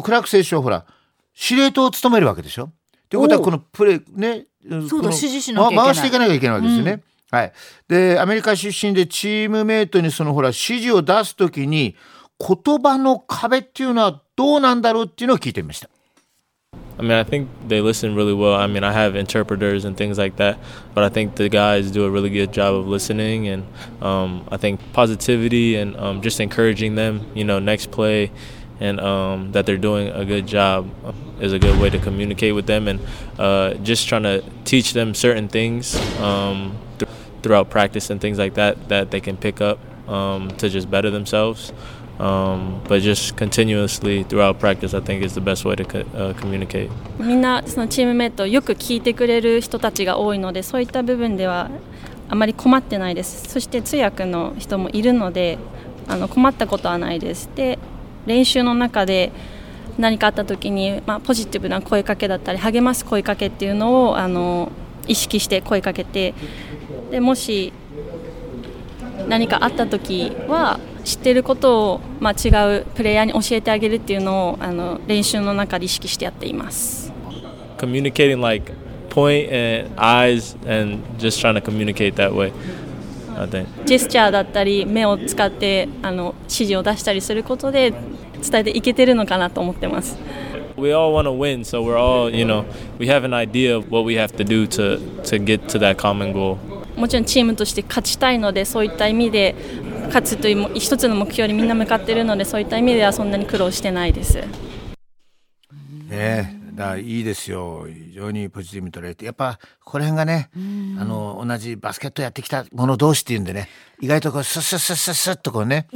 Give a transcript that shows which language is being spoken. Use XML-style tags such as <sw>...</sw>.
<ja>クラーク選手はほら司令塔を務めるわけでしょ。ということはこのプレーね、そうだ、指示しなきゃいけない、回していかなきゃいけないわけですよね。はい。でアメリカ出身でチームメイトにそのほら指示を出すときに言葉の壁っていうのはどうなんだろうっていうのを聞いてみました。</ja> <en>I mean, I think they listen really well. I mean, I have interpreters and things like that, but I think the guys do a really good job of listening. And I think positivity and just encouraging them, you know, next play, and that they're doing a good job is a good way to communicate with them. And just trying to teach them certain things throughout practice and things like that, that they can pick up to just better themselves. But just continuously throughout practice, I think is the best way to communicate.</en> <ja>みんなそのチームメイトよく聞いてくれる人たちが多いので、そういった部分ではあまり困ってないです。そして通訳の人もいるので、困ったことはないです。で、練習の中で何かあった時に、ポジティブな声かけだったり、励ます声かけっていうのを意識して声かけて、でもし何かあった時は知ってることを、違うプレイヤーに教えてあげるっていうのを練習の中で意識してやっています。</ja> <en>Communicating like point and eyes and just trying to communicate that way. I think.</en> <ja>ジェスチャーだったり目を使って指示を出したりすることで伝えていけてるのかなと思ってます。</ja> <en>We all want to win, so we're all, you know, we have an idea of what we have to do to get to that common goal.</en> <ja>もちろんチームとして勝ちたいので、そういった意味で勝つという一つの目標にみんな向かっているので、そういった意味ではそんなに苦労してないです、ね、だいいですよ、非常にポジティブに取られて、やっぱこの辺がね、同じバスケットやってきた者同士っていうんでね、意外とこうスッスッスッスッスッとこう、ね、</ja>